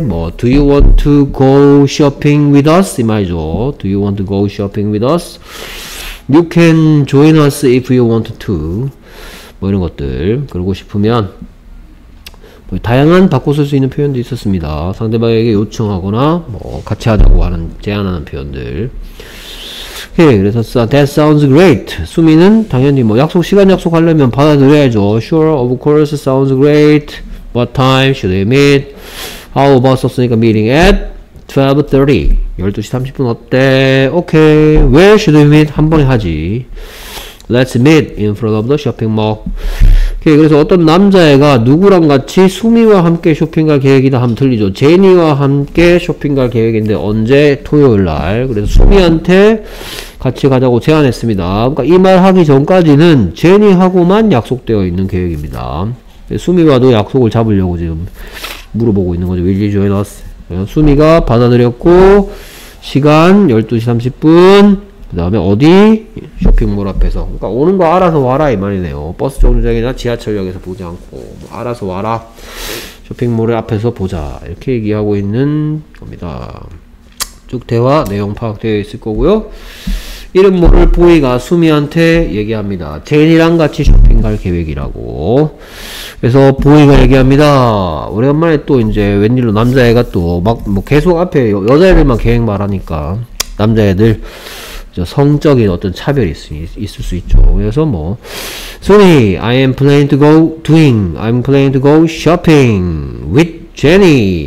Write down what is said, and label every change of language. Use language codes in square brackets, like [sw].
[en] 뭐 Do you want to go shopping with us? [ko] 이 말이죠. [en] Do you want to go shopping with us? You can join us if you want to. 뭐 이런 것들. [ko] 그러고 싶으면 뭐 다양한 바꿔 쓸 수 있는 표현도 있었습니다. 상대방에게 요청하거나 뭐 같이 하자고 하는 제안하는 표현들. [en] 오케이. 그래서 that sounds great. [ko] 수미는 당연히 뭐 약속 시간 약속하려면 받아들여야죠. [en] Sure, of course, sounds great. What time should we meet? How about 썼으니까 meeting at [ko] 12.30 12시 30분 어때? 오케이. [en] Where should we meet? [ko] 한 번에 하지. [en] Let's meet in front of the shopping mall. 오케이. [ko] 그래서 어떤 남자애가 누구랑 같이 수미와 함께 쇼핑 갈 계획이다 하면 틀리죠. 제니와 함께 쇼핑 갈 계획인데 언제? 토요일 날. 그래서 수미한테 같이 가자고 제안했습니다. 그러니까 이 말 하기 전까지는 제니하고만 약속되어 있는 계획입니다. 수미와도 약속을 잡으려고 지금 물어보고 있는 거죠. [en] Will you join us? [ko] 수미가 받아들였고 시간 12시 30분 그 다음에 어디? 쇼핑몰 앞에서. 그러니까 오는 거 알아서 와라 이 말이네요. 버스 정류장이나 지하철역에서 보지 않고 뭐 알아서 와라, 쇼핑몰 앞에서 보자 이렇게 얘기하고 있는 겁니다. 쭉 대화 내용 파악되어 있을 거고요. 이름 모를 보이가 수미한테 얘기합니다. 제니랑 같이 쇼핑 갈 계획이라고. 그래서 보이가 얘기합니다. 오랜만에 또 이제 웬일로 남자애가 또 막 뭐 계속 앞에 여자애들만 계획 말하니까 남자애들 성적인 어떤 차별이 있을 수 있죠. 그래서 뭐 [en] 수미, I'm planning to go shopping with Jenny.